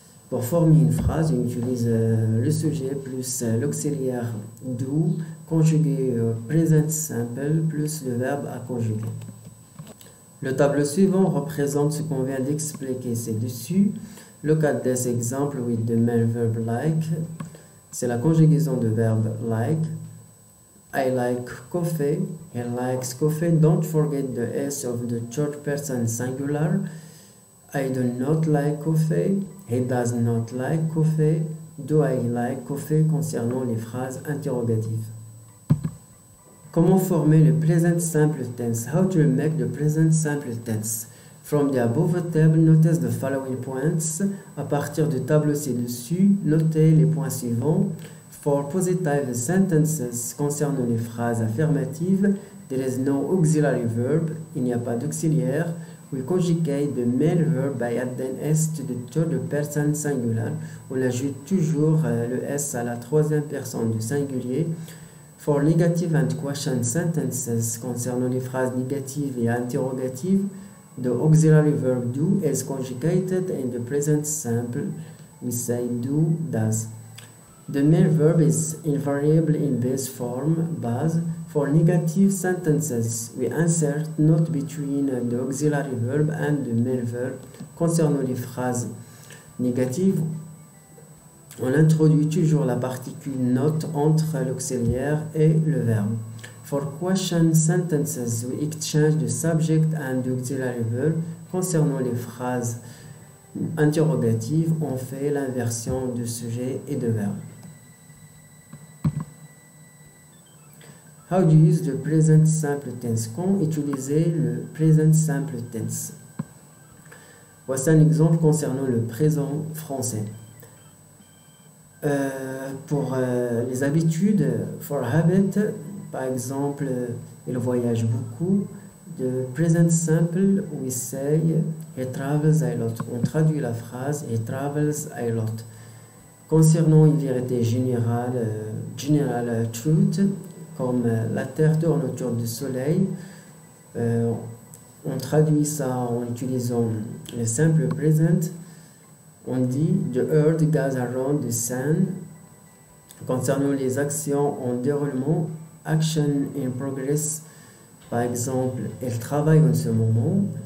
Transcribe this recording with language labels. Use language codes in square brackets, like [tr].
[fr] Pour former une phrase, on utilise le sujet plus l'auxiliaire do, conjugué present simple plus le verbe à conjuguer. Le tableau suivant représente ce qu'on vient d'expliquer ci-dessus. [en] Look at this example with the main verb like. [fr] C'est la conjugaison de verbe like. [en] I like coffee, he likes coffee, don't forget the S of the third person singular. I do not like coffee, he does not like coffee, do I like coffee [fr] concernant les phrases interrogatives. Comment former le present simple tense? [en] How to make the present simple tense? From the above table, notice the following points. [fr] À partir du tableau ci-dessus, notez les points suivants. [en] For positive sentences [fr] concernant les phrases affirmatives, [en] there is no auxiliary verb, [fr] il n'y a pas d'auxiliaire. [en] We conjugate the male verb by adding S to the third person singular. [fr] On ajoute toujours le S à la troisième personne du singulier. [en] For negative and question sentences [fr] concernant les phrases négatives et interrogatives, [en] the auxiliary verb do is conjugated in the present simple. We say do, does. The main verb is invariable in base form, base. For negative sentences, we insert not between the auxiliary verb and the main verb. [fr] Concernant les phrases négatives, on introduit toujours la particule not entre l'auxiliaire et le verbe. [en] For question sentences, we exchange the subject and auxiliary verb. [fr] Concernant les phrases interrogatives, on fait l'inversion de sujet et de verbe. [en] How do you use the present simple tense? [fr] Comment utiliser le present simple tense? Voici un exemple concernant le présent français. Pour les habitudes, [en] for habit, [fr] par exemple, il voyage beaucoup. [en] The present simple, we say, he travels a lot. [fr] On traduit la phrase, [en] he travels a lot. [fr] Concernant une vérité générale, [en] general truth, [fr] comme la Terre tourne autour du Soleil, on traduit ça en utilisant le simple present. On dit, [en] the earth goes around the sun. [fr] Concernant les actions en déroulement, [en] action in progress, [fr] par exemple, elle travaille en ce moment.